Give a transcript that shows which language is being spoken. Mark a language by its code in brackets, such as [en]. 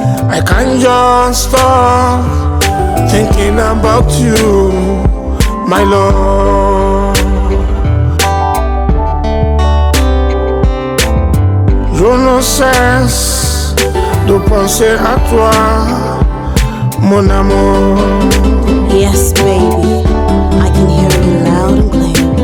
[en] I can't just stop thinking about you, my love. [fr] Je ne cesse de penser à toi, mon amour. [en] Yes, baby, I can hear you loud and clear.